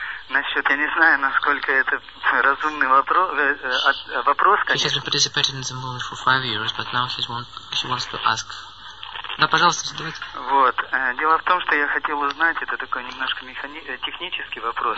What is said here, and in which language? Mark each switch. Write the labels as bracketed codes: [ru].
[ru] Насчет, я не знаю, насколько это разумный вопрос, конечно. [en] He has been participating in the movement for 5 years, but now he wants to ask. [ru] Да, пожалуйста, задавайте. Вот. Дело в том, что я хотел узнать, это такой немножко технический вопрос.